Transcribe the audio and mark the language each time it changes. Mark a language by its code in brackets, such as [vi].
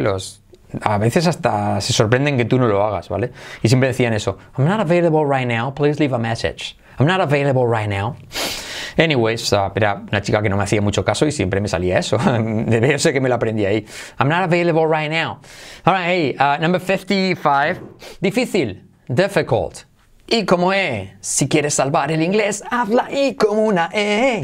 [es] Los, a veces hasta se sorprenden que tú no lo hagas, ¿vale? Y siempre decían eso. [en] I'm not available right now, please leave a message. I'm not available right now. [es] Anyways, era una chica que no me hacía mucho caso y siempre me salía eso. Debe ser que me lo aprendí ahí. [en] I'm not available right now. All right, hey, number 55. Difícil. Difficult. [es] Y como E. Si quieres salvar el inglés, habla I como una E.